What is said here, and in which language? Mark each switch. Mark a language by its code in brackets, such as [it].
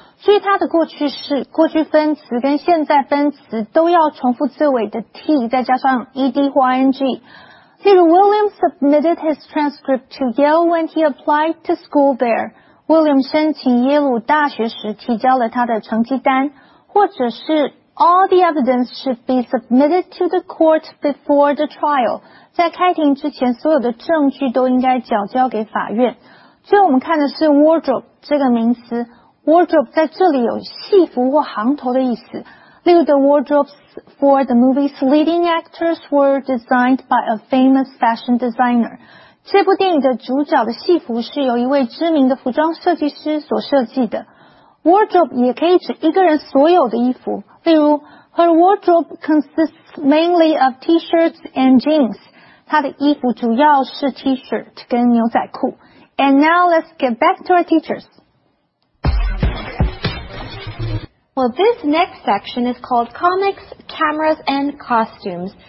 [zh] 所以它的过去式、过去分词跟现在分词都要重复字尾的T 再加上ED 或 ING。例如 [en] William submitted his transcript to Yale when he applied to school there. [zh] William 申请耶鲁大学时提交了他的成绩单，或者是 [en] All the evidence should be submitted to the court before the trial. [zh] 在开庭之前，所有的证据都应该缴交给法院。最后我们看的是 wardrobe 这个名词。 Wardrobe 在这里有戏服或行头的意思。例如 [en] the wardrobes for the movie's leading actors were designed by a famous fashion designer. [zh] 这部电影的主角的戏服是由一位知名的服装设计师所设计的。 Wardrobe 也可以指一个人所有的衣服。例如 [en] Her wardrobe consists mainly of t-shirts and jeans. [zh] 她的衣服主要是 t-shirt 跟牛仔裤。 [en] And now let's get back to our teachers. Well, this next section is called Comics, Cameras, and Costumes.